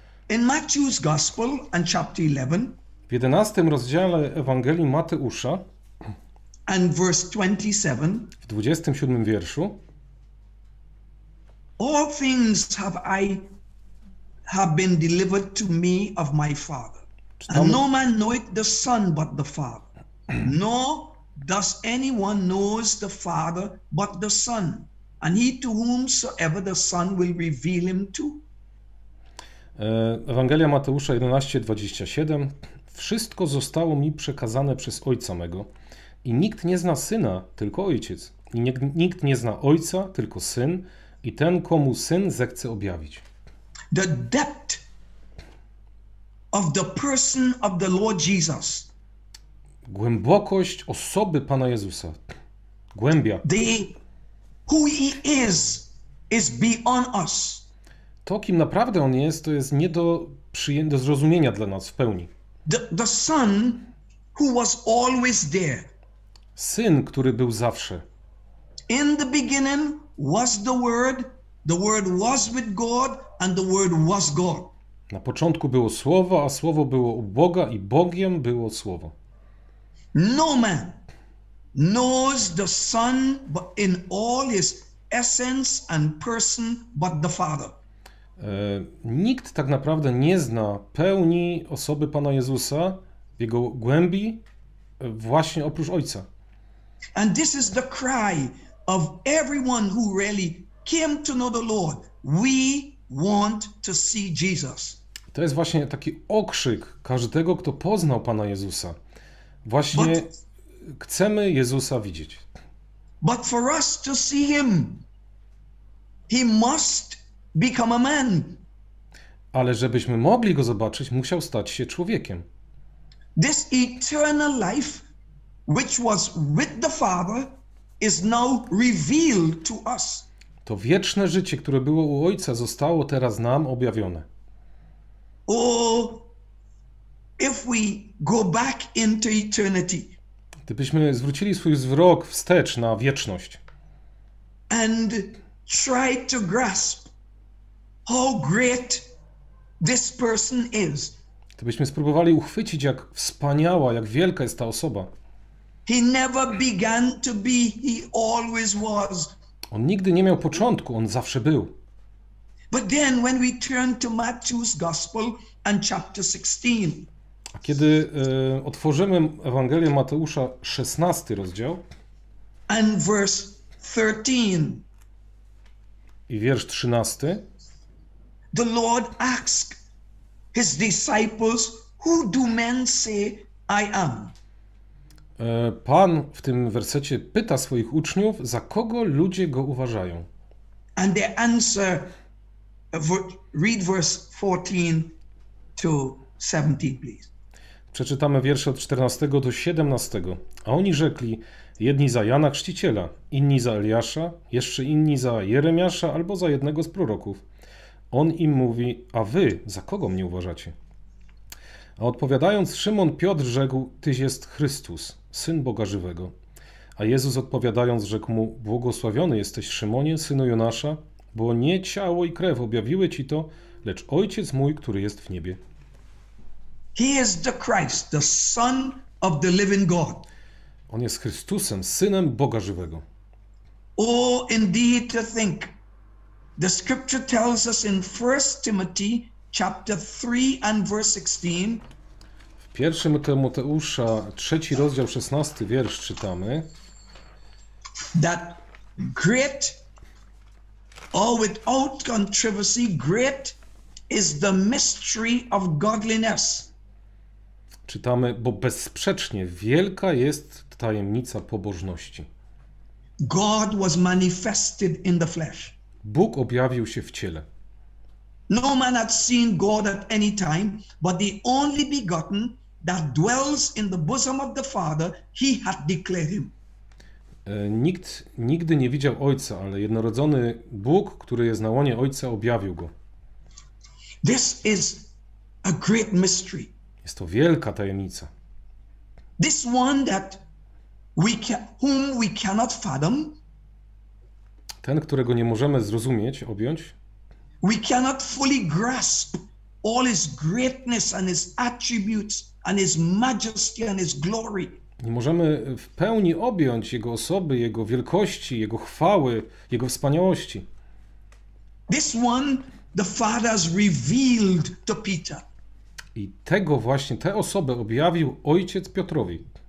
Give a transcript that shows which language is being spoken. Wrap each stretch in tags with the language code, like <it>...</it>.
<en>In Matthew's Gospel and chapter 11,</en> <pl>w 11 rozdziale Ewangelii Mateusza</pl> <en>and verse 27,</en> <pl>w 27 wierszu,</pl> <en>all things have been delivered to me of my Father. And no man knoweth the Son but the Father. Nor does anyone knows the Father but the Son. And he to whomsoever the Son will reveal him to.</en> <pl>Ewangelia Mateusza 11:27. Wszystko zostało mi przekazane przez Ojca mego. I nikt nie zna Syna, tylko Ojciec. I nikt nie zna Ojca, tylko Syn. I ten, komu Syn zechce objawić.</pl> <en>The depth of the person of the Lord Jesus.</en> <pl>Głębokość osoby Pana Jezusa. Głębia.</pl> <en>The, who he is beyond us.</en> <pl>To, kim naprawdę On jest, to jest nie do przyjęcia, do zrozumienia dla nas w pełni.</pl> <en>The Son who was always there.</en> <pl>Syn, który był zawsze.</pl> <en>In the beginning was the Word was with God, and the Word was God.</en> <pl>Na początku było Słowo, a Słowo było u Boga i Bogiem było Słowo.</pl> <en>No man knows the Son but in all his essence and person but the Father.</en> <pl>Nikt tak naprawdę nie zna pełni osoby Pana Jezusa w jego głębi właśnie oprócz Ojca.</pl> <en>And this is the cry of everyone who really came to know the Lord. We want to see Jesus.</en> <pl>To jest właśnie taki okrzyk każdego, kto poznał Pana Jezusa. Właśnie chcemy Jezusa widzieć.</pl> <en>But for us to see him, he must become a man.</en> <pl>Ale żebyśmy mogli go zobaczyć, musiał stać się człowiekiem.</pl> <en>This eternal life, which was with the Father, is now revealed to us.</en> <pl>To wieczne życie, które było u Ojca, zostało teraz nam objawione.</pl> <en>Oh, if we go back into eternity.</en> <pl>Gdybyśmy zwrócili swój wzrok wstecz na wieczność.</pl> <en>And try to grasp how great this person is.</en> <pl>Gdybyśmy spróbowali uchwycić, jak wspaniała, jak wielka jest ta osoba.</pl> <en>He never began to be, he always was.</en> <pl>On nigdy nie miał początku, on zawsze był.</pl> <en>But then when we turn to Matthew's Gospel and chapter 16.</en> <pl>A kiedy otworzymy Ewangelię Mateusza 16 rozdział</pl> <en>and verse 13.</en> <pl>I wiersz 13.</pl> <en>The Lord asked his disciples, who do men say I am?</en> <pl>Pan w tym wersecie pyta swoich uczniów, za kogo ludzie go uważają.</pl> <en>And they answer, read verse 14 to 17, please.</en> <pl>Przeczytamy wiersze od 14 do 17. A oni rzekli, jedni za Jana Chrzciciela, inni za Eliasza, jeszcze inni za Jeremiasza albo za jednego z proroków. On im mówi, a wy za kogo mnie uważacie? A odpowiadając, Szymon Piotr rzekł, tyś jest Chrystus, Syn Boga Żywego. A Jezus odpowiadając, rzekł mu, błogosławiony jesteś Szymonie, synu Jonasza, bo nie ciało i krew objawiły ci to, lecz Ojciec mój, który jest w niebie.</pl> <en>He is the Christ, the Son of the living God.</en> <pl>On jest Chrystusem, Synem Boga Żywego.</pl> <en>Oh, indeed to think. The scripture tells us in 1 Timothy chapter 3 and verse 16.</en> <pl>W 1 Tymoteusza 3 rozdział 16 wiersz czytamy.</pl> <en>That great or without controversy great is the mystery of godliness.</en> <pl>Czytamy, bo bezsprzecznie wielka jest tajemnica pobożności.</pl> <en>God was manifested in the flesh.</en> <pl>Bóg objawił się w ciele.</pl> <en>No man had seen God at any time, but the only begotten that dwells in the bosom of the Father, he had declared him.</en> <pl>Nikt nigdy nie widział Ojca, ale jednorodzony Bóg, który jest na łonie Ojca, objawił go.</pl> <en>This is a great mystery.</en> <pl>Jest to wielka tajemnica.</pl> <en>This one that we can, whom we cannot fathom.</en> <pl>Ten, którego nie możemy zrozumieć, objąć.</pl> <en>We cannot fully grasp all his greatness and his attributes and his majesty and his glory.</en> <pl>Nie możemy w pełni objąć jego osoby, jego wielkości, jego chwały, jego wspaniałości.</pl> <en>This one the Father has revealed to Peter.</en> <pl>I tego właśnie, tę osobę objawił ojciec Piotrowi.</pl>